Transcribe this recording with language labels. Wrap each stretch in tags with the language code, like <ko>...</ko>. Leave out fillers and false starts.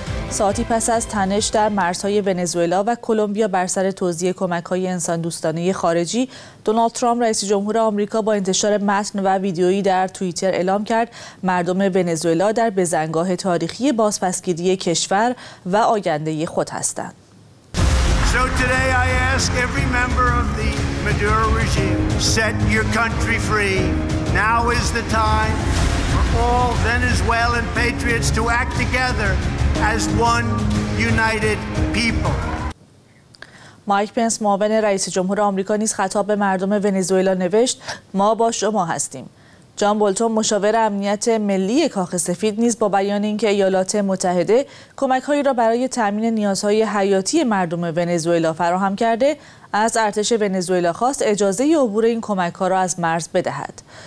<fa>ساعتی پس از تنش در مرزهای ونزوئلا و کلمبیا بر سر توزیع کمک‌های انسان دوستانه خارجی، دونالد ترامپ رئیس جمهور آمریکا با انتشار متن و ویدیویی در توییتر اعلام کرد مردم ونزوئلا در بزنگاه تاریخی بازپسگیری کشور و آینده خود هستند.</fa> <en>So today I ask every member of the Maduro regime, set your country free. Now is the time for all Venezuelan patriots to act together as one united people.</en> <fa>مایک پنس معاون رئیس جمهور آمریکا نیز خطاب به مردم ونزوئلا نوشت ما با شما هستیم. جان بولتون مشاور امنیت ملی کاخ سفید نیز با بیان اینکه ایالات متحده کمک‌هایی را برای تأمین نیازهای حیاتی مردم ونزوئلا فراهم کرده، از ارتش ونزوئلا خواست اجازه عبور این کمک‌ها را از مرز بدهد.</fa>